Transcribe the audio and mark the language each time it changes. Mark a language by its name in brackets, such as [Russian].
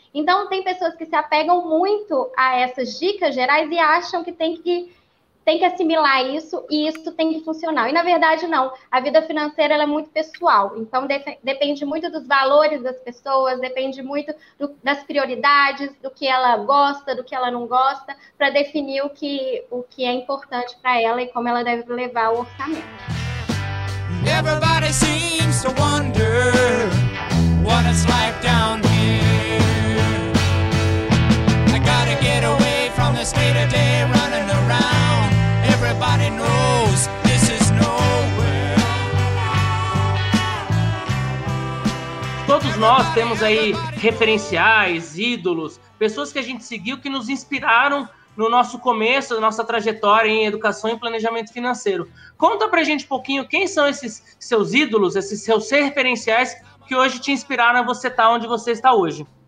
[Portuguese] Então, tem pessoas que se apegam muito a essas dicas gerais e acham que tem que assimilar isso e isso tem que funcionar. E, na verdade, não. A vida financeira ela é muito pessoal. Então, depende muito dos valores das pessoas, depende muito das prioridades, do que ela gosta, do que ela não gosta, para definir o que é importante para ela e como ela deve levar o orçamento. [English] Everybody seems to wonder what it's like down here. I gotta get away from this day to day running around. Everybody knows this is nowhere. [Portuguese] Todos nós temos aí referenciais, ídolos, pessoas que a gente seguiu que nos inspiraram no nosso começo, nossa trajetória em educação e planejamento financeiro. Conta pra gente um pouquinho quem são esses seus ídolos, esses seus referenciais que hoje te inspiraram a você estar onde você está hoje.